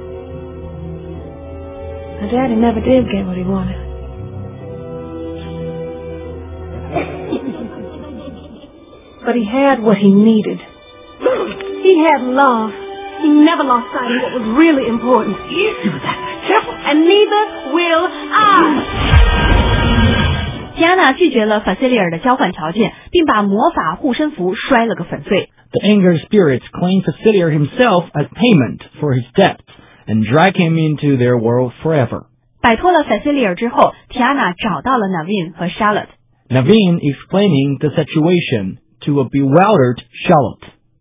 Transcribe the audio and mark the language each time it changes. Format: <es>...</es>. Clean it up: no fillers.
<en>My daddy never did get what he wanted. But he had what he needed. He had love. He never lost sight of what was really important. You do that, careful. And neither will I.</en> <zh>提安娜拒绝了法西利尔的交换条件，并把魔法护身符摔了个粉碎。</zh> <en>The anger spirits claim Facilier himself as payment for his debts and drag him into their world forever.</en> <zh>摆脱了法西利尔之后，提安娜找到了 Navin 和 Charlotte.</zh> <en>Navin explaining the situation to a bewildered Charlotte.</en>